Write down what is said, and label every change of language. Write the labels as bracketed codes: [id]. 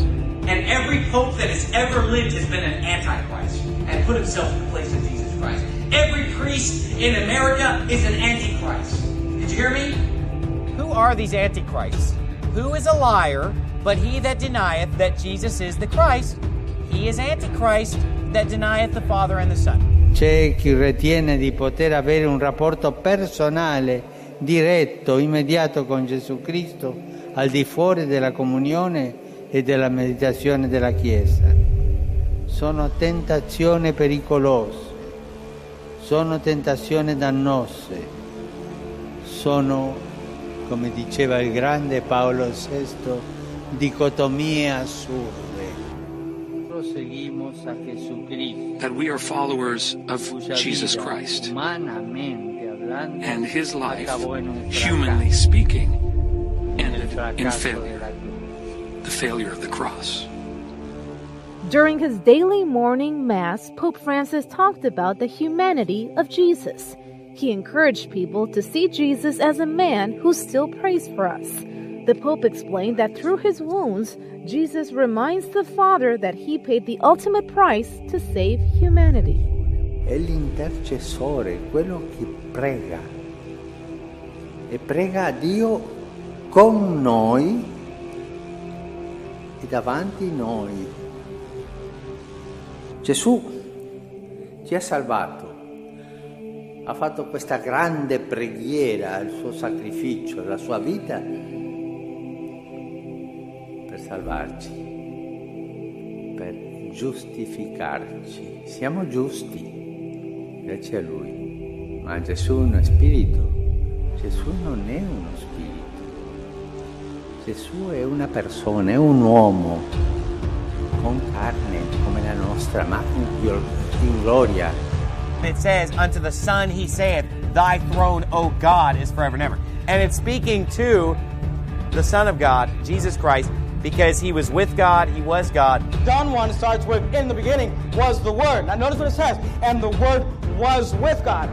[en] And every pope that has ever lived has been an Antichrist and put himself in the place of Jesus Christ. Every priest in America is an Antichrist. Did you hear me? Who are these Antichrists? Who is a liar but he that denieth that Jesus is the Christ? He is Antichrist that denieth the Father and the Son. [it] C'è chi ritiene di poter avere un rapporto personale, diretto, immediato con Gesù Cristo al di fuori della comunione e della meditazione della Chiesa. Sono tentazioni pericolose, sono tentazioni dannose, sono, come diceva il grande Paolo VI, dicotomie assurde. [en] That we are followers of Jesus Christ, and his life, humanly speaking, ended in failure, the failure of the cross. During his daily morning mass, Pope Francis talked about the humanity of Jesus. He encouraged people to see Jesus as a man who still prays for us. The Pope explained that through his wounds, Jesus reminds the Father that he paid the ultimate price to save humanity. [it] È l'intercessore, quello che prega. E prega a Dio con noi e davanti noi. Gesù ci ha salvato. Ha fatto questa grande preghiera, il suo sacrificio, la sua vita per salvarci, per giustificarci. Siamo giusti, grazie a Lui. Ma Gesù non è spirito. Gesù non è uno spirito. Gesù è una persona, è un uomo con carne come la nostra, ma in gloria. [en] It says, unto the Son he saith, thy throne, O God, is forever and ever. And it's speaking to the Son of God, Jesus Christ, because he was with God, he was God. John 1 starts with, in the beginning was the Word. Now notice what it says, and the Word was with God.